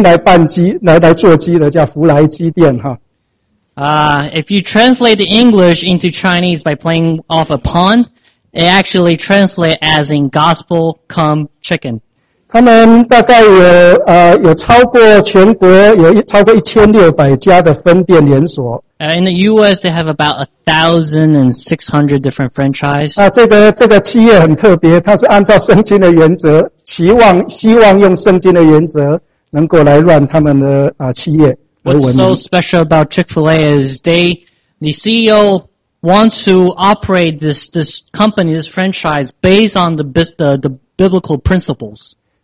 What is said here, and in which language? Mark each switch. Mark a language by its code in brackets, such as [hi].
[zh] 在那里面我是看到Chick-fil-A的这一个中文，有人把它翻译成为福来鸡，福音用福音来办鸡，来做鸡的叫福来鸡店哈。 [en] If you translate the English into Chinese by playing off a pun, it actually translates as in gospel come chicken. [zh] 他们大概有超过全国有超过1600家的分店连锁。 [en] In the US, they have about 1,600 different franchise. [zh] 这个企业很特别，它是按照圣经的原则，希望用圣经的原则能够来run他们的企业。 [en] What's so special about Chick-fil-A is the CEO wants to operate this company, this franchise, based on the biblical principles.